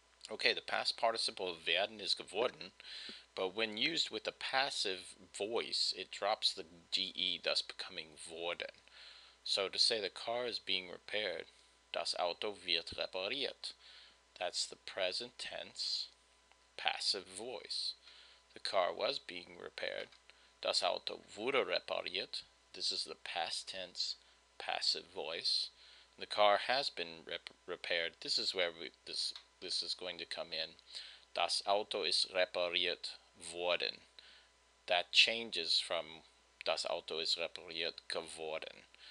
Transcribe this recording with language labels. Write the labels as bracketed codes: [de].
[en] Okay, the past participle of werden is geworden, but when used with a passive voice, it drops the ge, thus becoming worden. So to say the car is being repaired, [de] das Auto wird repariert. [en] That's the present tense, passive voice. The car was being repaired. [de] Das Auto wurde repariert. [en] This is the past tense, passive voice. The car has been repaired. This is where this is going to come in. [de] Das Auto ist repariert worden. That changes from das Auto ist repariert geworden.